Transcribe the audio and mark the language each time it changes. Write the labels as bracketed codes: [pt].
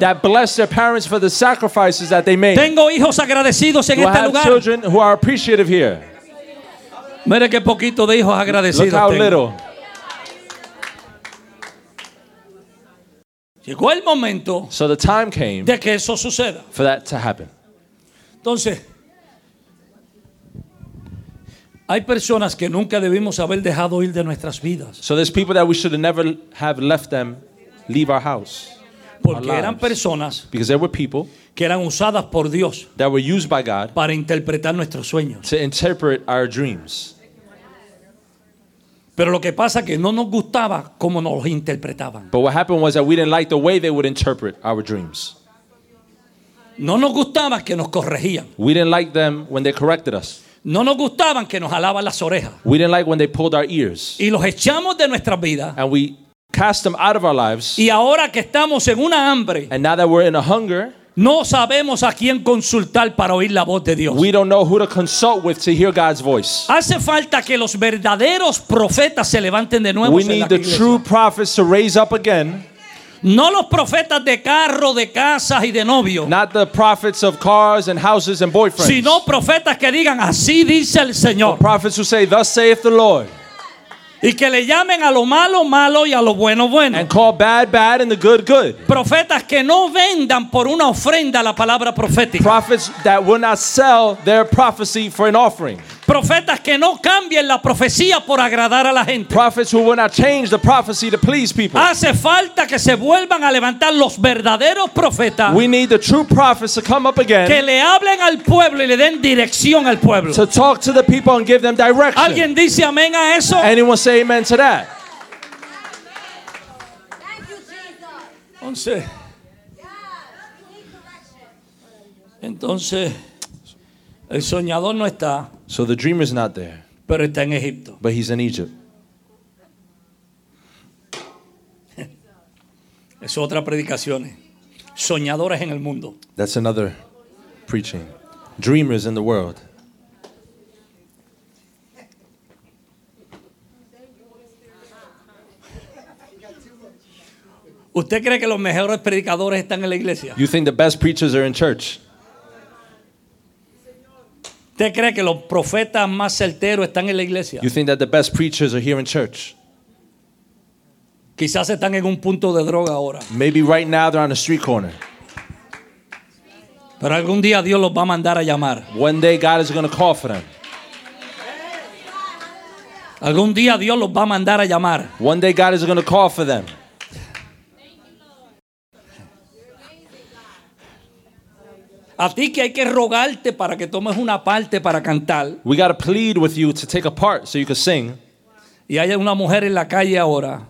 [en] That bless their parents for the sacrifices that they made. [es] Tengo hijos agradecidos en do este [en] I have [es] lugar. [en] Children who are appreciative here. [es] Mira qué poquito de hijos agradecidos. [en] Look how [es] tengo. [en] Little. [es] Llegó el momento [en] so the time came [es] de que eso suceda. [en] For that to happen. [es] Entonces, hay personas que nunca debimos haber dejado ir de nuestras vidas. [en] So there's people that we should never have left them leave our house. [es] Porque eran personas [en] because there were people [es] que eran usadas por Dios [en] that were used by God [es] para interpretar nuestros sueños. [en] To interpret our dreams. [es] Pero lo que pasa es que no nos gustaba cómo nos interpretaban. [en] But what happened was that we didn't like the way they would interpret our dreams. [es] No nos gustaba que nos corregían. [en] We didn't like them when they corrected us. [es] No nos gustaban que nos jalaban las orejas. [en] We didn't like when they pulled our ears. [es] Y los echamos de nuestras vidas. [en] And we cast them out of our lives. [es] Y ahora que estamos en una hambre. [en] And now that we're in a hunger. [es] No sabemos a quién consultar para oír la voz de Dios. [en] We don't know who to consult with to hear God's voice. [es] Hace falta que los verdaderos profetas se levanten de nuevo. [en] We need the true prophets to raise up again. [es] No los profetas de carro, de casas y de novio. [en] Not the prophets of cars and houses and boyfriends. [es] Sino profetas que digan así dice el Señor. [en] The prophets who say thus saith the Lord. [es] Y que le llamen a lo malo malo y a lo bueno bueno. [en] And call bad bad and the good good. [es] Profetas que no vendan por una ofrenda la palabra profética. [en] Prophets that will not sell their prophecy for an offering. [es] Profetas que no cambien la profecía por agradar a la gente. [en] Prophets who will not change the prophecy to please people. [es] Hace falta que se vuelvan a levantar los verdaderos profetas. [en] We need the true prophets to come up again. [es] Que le hablen al pueblo y le den dirección al pueblo. [en] To talk to the people and give them direction. [es] ¿Alguien dice amén a eso? [en] Anyone say amen to that? [es] Entonces. Entonces. El soñador no está. [en] So the dreamer is not there. [es] Pero está en Egipto. [en] But he's in Egypt. [es] Es otra predicación. soñadores en el mundo. [en] That's another preaching. Dreamers in the world. [es] ¿Usted cree que los mejores predicadores están en la iglesia? [en] You think the best preachers are in church? [es] ¿Usted cree que los profetas más certeros están en la iglesia? [en] You think that the best preachers are here in church? [es] Quizás están en un punto de droga ahora. [en] Maybe right now they're on a street corner. [es] Pero algún día Dios los va a mandar a llamar. [en] One day God is going to call for them. [es] Algún día Dios los va a mandar a llamar. [en] One day God is going to call for them. [es] A ti que hay que rogarte para que tomes una parte para cantar. [en] We got to plead with you to take a part so you can sing. [es] Y hay una mujer en la calle ahora.